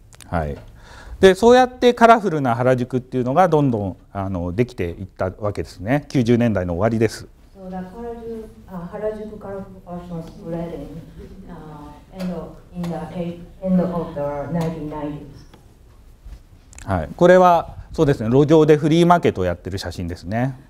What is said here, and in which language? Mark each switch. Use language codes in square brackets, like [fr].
[ja] はい。でそうやってカラフルな原宿っていうのがどんどんできていったわけですね。90年代の終わりです。 [en] So the Harajuku colorful fashion spreading in the end of the 1990s. [ja] はい、これはそうですね、路上でフリーマーケットをやってる写真ですね。